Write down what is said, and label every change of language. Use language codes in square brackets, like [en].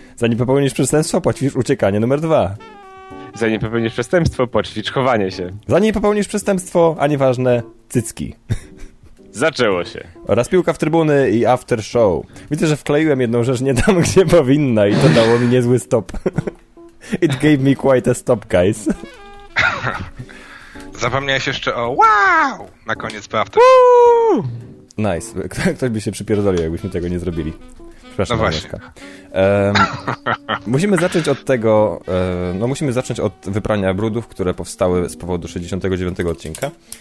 [pl] Zanim popełnisz przestępstwo, poćwicz uciekanie numer 2. Zanim popełnisz przestępstwo, poćwicz chowanie się. Zanim popełnisz przestępstwo, a nieważne, cycki. Zaczęło się. Oraz piłka w trybuny i after show. Widzę, że wkleiłem jedną rzecz nie tam, gdzie powinna i to dało mi niezły stop. [en] It gave me quite a stop, guys. [pl] Zapomniałeś jeszcze o wow! Na koniec po after show. [en] Nice. [pl] Ktoś by się przypierdolił, jakbyśmy tego nie zrobili. Przepraszam, no właśnie. Musimy zacząć od tego, musimy zacząć od wyprania brudów, które powstały z powodu 69 odcinka.